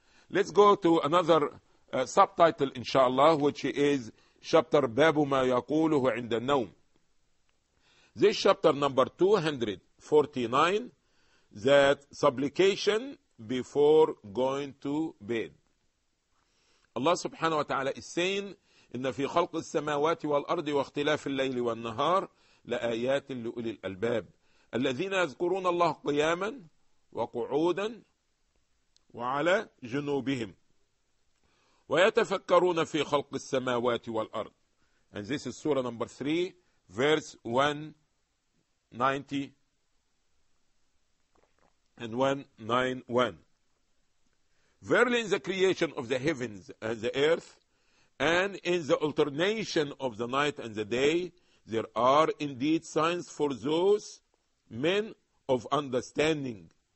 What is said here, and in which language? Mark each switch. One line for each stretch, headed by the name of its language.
English: Let's go to another subtitle, inshallah, which is chapter
Arabic: Babu Ma Yaquluhu Inda Nawm.
English: This chapter number 249, that supplication before going to bed. Allah subhanahu wa ta'ala is saying,
Arabic: إِنَّ فِي خَلْقِ السَّمَاوَاتِ وَالْأَرْضِ وَاخْتِلَافِ اللَّيْلِ وَالنَّهَارِ لَآيَاتٍ لِأُولِي الْأَلْبَابِ الَّذِينَ يَذْكُرُونَ اللَّهَ قِيَامًا وَقُعُودًا وَعَلَى جُنُوبِهِمْ وَيَتَفَكَّرُونَ فِي خَلْقِ السَّمَاوَاتِ وَالْأَرْضِ.
English: And this is surah number 3, verse 190 and 191. Verily in the creation of the heavens and the earth, and in the alternation of the night and the day, there are indeed signs for those men of understanding.